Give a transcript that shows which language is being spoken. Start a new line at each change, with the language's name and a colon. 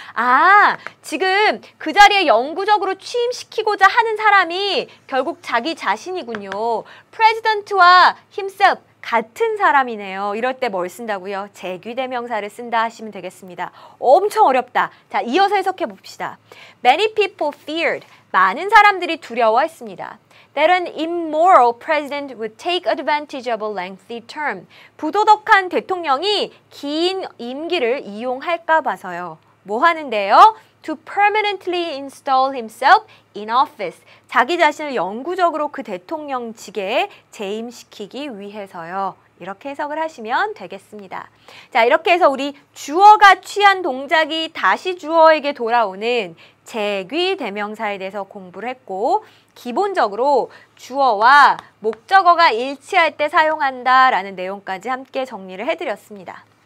Korean: 아, 지금 그 자리에 영구적으로 취임시키고자 하는 사람이 결국 자기 자신이군요. 프레지던트와 힘셉 같은 사람이네요. 이럴 때 뭘 쓴다고요? 재귀대명사를 쓴다 하시면 되겠습니다. 엄청 어렵다. 자, 이어서 해석해 봅시다.
English: Many people feared.
Korean: 많은 사람들이 두려워했습니다.
English: That an immoral president would take advantage of a lengthy term.
Korean: 부도덕한 대통령이 긴 임기를 이용할까 봐서요. 뭐 하는데요?
English: To permanently install himself in office.
Korean: 자기 자신을 영구적으로 그 대통령직에 재임시키기 위해서요. 이렇게 해석을 하시면 되겠습니다. 자, 이렇게 해서 우리 주어가 취한 동작이 다시 주어에게 돌아오는 재귀대명사에 대해서 공부를 했고 기본적으로 주어와 목적어가 일치할 때 사용한다라는 내용까지 함께 정리를 해드렸습니다.